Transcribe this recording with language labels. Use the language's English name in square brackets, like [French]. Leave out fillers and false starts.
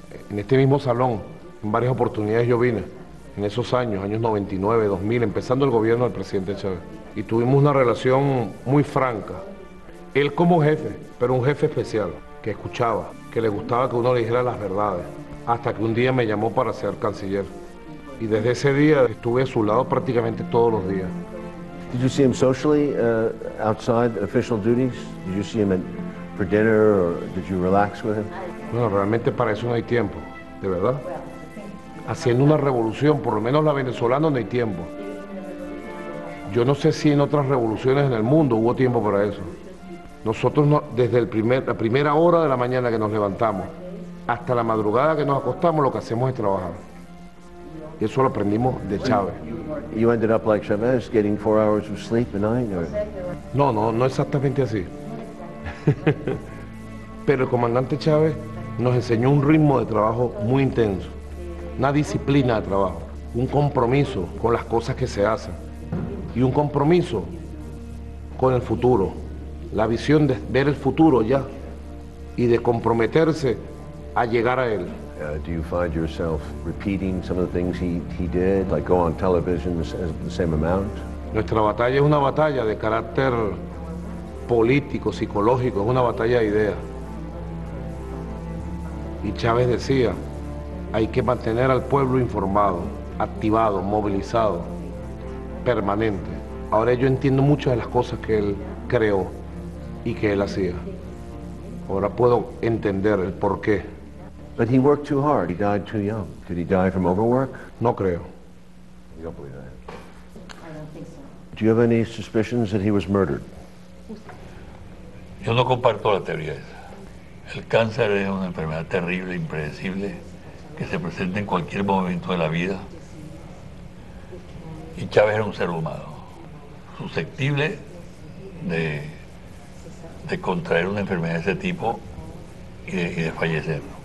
[Spanish] En este mismo salón, en varias oportunidades yo vine. En esos años, años 99, 2000, empezando el gobierno del presidente Chávez. Y tuvimos una relación muy franca. Él como jefe, pero un jefe especial, que escuchaba, que le gustaba que uno le dijera las verdades. Hasta que un día me llamó para ser canciller. Y desde ese día estuve a su lado prácticamente todos los días. [English] Did you see him socially outside official duties? Did you see him for dinner or did you relax with him? [Spanish] Bueno, realmente para eso no hay tiempo, de verdad. Haciendo una revolución, por lo menos la venezolana, no hay tiempo. Yo no sé si en otras revoluciones en el mundo hubo tiempo para eso. Nosotros no, desde la primera hora de la mañana que nos levantamos hasta la madrugada que nos acostamos, lo que hacemos es trabajar. Y eso lo aprendimos de Chávez. [English] You ended up like Chávez, getting 4 hours of sleep a night, or... [Spanish] No exactamente así. Pero el comandante Chávez nos enseñó un ritmo de trabajo muy intenso. Una disciplina de trabajo, un compromiso con las cosas que se hacen y un compromiso con el futuro, la visión de ver el futuro ya y de comprometerse a llegar a él. [English] Do you find yourself repeating some of the things he did, like go on television the same amount? [Spanish] Nuestra batalla es una batalla de carácter político, psicológico, es una batalla de ideas. Y Chávez decía, hay que mantener al pueblo informado, activado, movilizado, permanente. Ahora yo entiendo muchas de las cosas que él creó y que él hacía. Ahora puedo entender el porqué. [English] But he worked too hard. He died too young. Did he die from overwork? [Spanish] No creo. [English] You don't believe that? I don't think so. Do you have any suspicions that he was murdered? [Spanish] Yo no comparto la teoría esa. El cáncer es una enfermedad terrible, impredecible, que se presenta en cualquier momento de la vida. Y Chávez era un ser humano, susceptible de contraer una enfermedad de ese tipo y de fallecer.